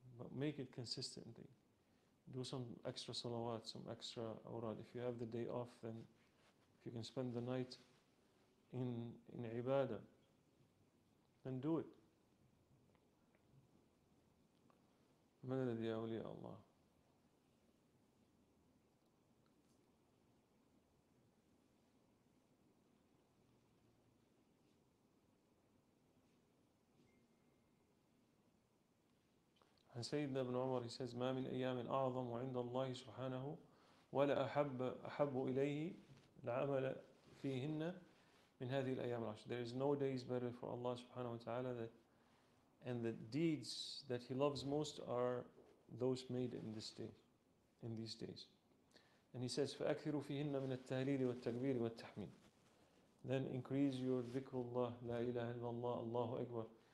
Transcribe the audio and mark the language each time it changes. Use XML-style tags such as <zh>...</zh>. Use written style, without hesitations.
<en>But make it consistently. Do some extra salawat, some extra awrad. If you have the day off, then if you can spend the night in ibadah, then do it.</en> <ar>من الذي أولياء الله؟ عن سيدنا ابن عمر,</ar> <en>he says,</en> <ar>ما من أيام أعظم عند الله سبحانه ولا أحب إليه العمل فيهن من هذه الأيام العشر.</ar> <en>There is no days better for Allah سبحانه وتعالى and the deeds that he loves most are those made in this day, in these days. And he says,</en> <ar>فَأَكْثِرُوا فِيهِنَّ مِنَ التَّهْلِيلِ وَالتَّكْبِيرِ وَالتَّحْمِيدِ.</ar> <en>Then increase your dhikr Allah, la ilaha illallah, Allahu Akbar.</en>